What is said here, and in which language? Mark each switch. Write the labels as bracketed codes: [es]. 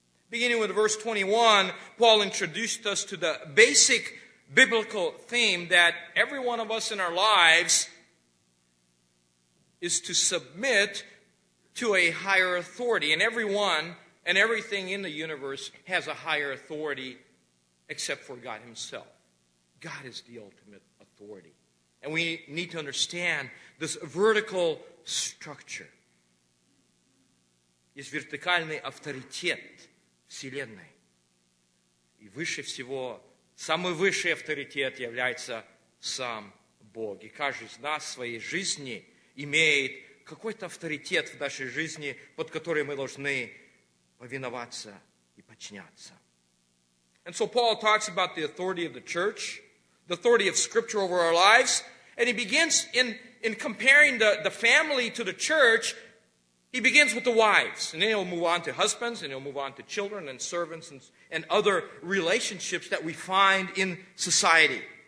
[en] Beginning with verse 21, Paul introduced us to the basic biblical theme that every one of us in our lives is to submit to a higher authority. And everyone and everything in the universe has a higher authority except for God Himself. God is the ultimate authority. And we need to understand this vertical structure. [ru] Есть вертикальный авторитет Вселенной. И выше всего, самый высший авторитет является сам Бог. И каждый из нас в своей жизни имеет какой-то авторитет в нашей жизни, под который мы должны повиноваться и подчиняться. [en] And so Paul talks about the authority of the church, the authority of Scripture over our lives. And he begins in comparing the family to the church, he begins with the wives. And then he'll move on to husbands, and he'll move on to children and servants and other relationships that we find in society.